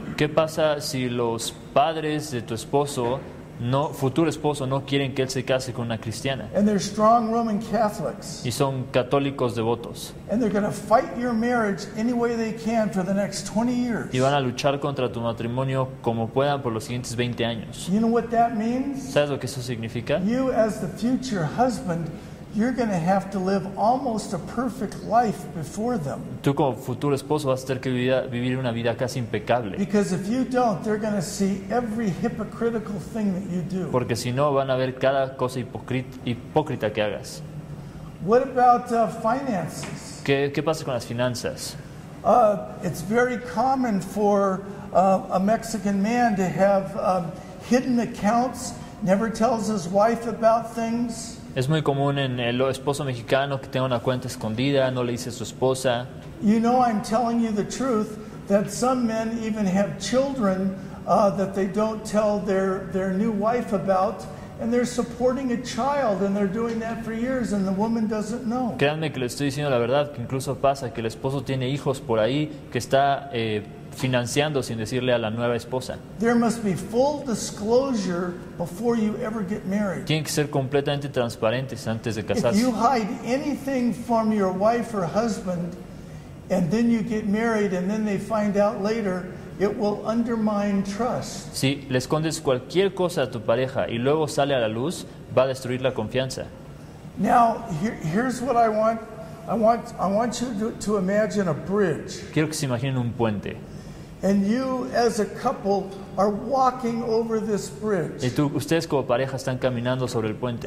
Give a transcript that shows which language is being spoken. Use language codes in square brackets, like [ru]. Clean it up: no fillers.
[es] ¿Qué pasa si los padres de tu esposo, no, futuro esposo, no quieren que él se case con una cristiana? [en] And they're strong Roman Catholics. [es] Y son católicos devotos. [en] And they're going to fight your marriage any way they can for the next 20 years. [es] Y van a luchar contra tu matrimonio como puedan por los siguientes 20 años. [en] You know what that means? [es] ¿Sabes lo que eso significa? [en] You as the future husband, you're going to have to live almost a perfect life before them. [es] Tú como futuro esposo vas a tener que vivir una vida casi impecable. [en] Because if you don't, they're going to see every hypocritical thing that you do. [es] Porque si no, van a ver cada cosa hipócrita que hagas. [en] What about finances? [es] ¿Qué pasa con las finanzas? [en] It's very common for a Mexican man to have hidden accounts, never tells his wife about things. [es] Es muy común en el esposo mexicano que tenga una cuenta escondida, no le dice a su esposa. [en] You know, I'm telling you the truth, that some men even have children that they don't tell their new wife about, and they're supporting a child, and they're doing that for years, and the woman doesn't know. [es] Créanme que le estoy diciendo la verdad, que incluso pasa que el esposo tiene hijos por ahí que está financiando sin decirle a la nueva esposa. [en] There must be full disclosure before you ever get married. [es] Tienen que ser completamente transparentes antes de casarse. [en] If you hide anything from your wife or husband and then you get married and then they find out later, it will undermine trust. [es] Si le escondes cualquier cosa a tu pareja y luego sale a la luz, va a destruir la confianza. [en] Now, here's what I want. I want you to imagine a bridge. [es] Quiero que se imaginen un puente. [en] And you as a couple are walking over this bridge. [es] Y tú, ustedes como pareja están caminando sobre el puente.